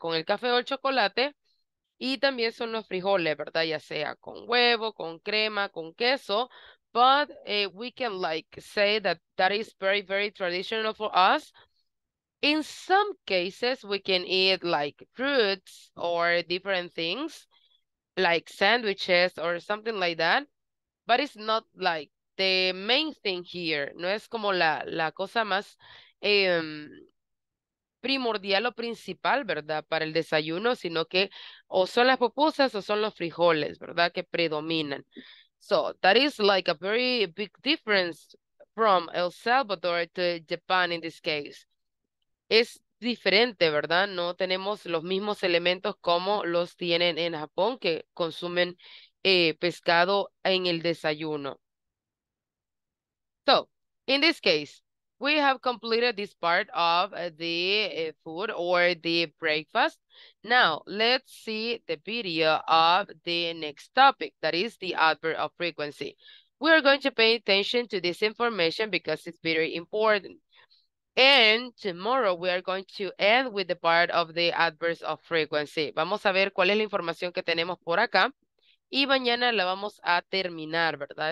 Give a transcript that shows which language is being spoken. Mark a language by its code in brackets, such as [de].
[es] Con el café o el chocolate, y también son los frijoles, ¿verdad? Ya sea con huevo, con crema, con queso, [en] but we can like say that that is very, very traditional for us. In some cases, we can eat like fruits or different things, like sandwiches or something like that. But it's not like the main thing here. [es] No es como la cosa más primordial o principal, ¿verdad? Para el desayuno, sino que o son las pupusas o son los frijoles, ¿verdad? Que predominan. [en] So that is like a very big difference from El Salvador to Japan in this case. [es] Es diferente, ¿verdad? No tenemos los mismos elementos como los tienen en Japón, que consumen pescado en el desayuno. [en] So, in this case, we have completed this part of the food or the breakfast. Now, let's see the video of the next topic, that is the adverb of frequency. We are going to pay attention to this information because it's very important. And tomorrow we are going to end with the part of the adverbs of frequency. [es] Vamos a ver cuál es la información que tenemos por acá. Y mañana la vamos a terminar, ¿verdad?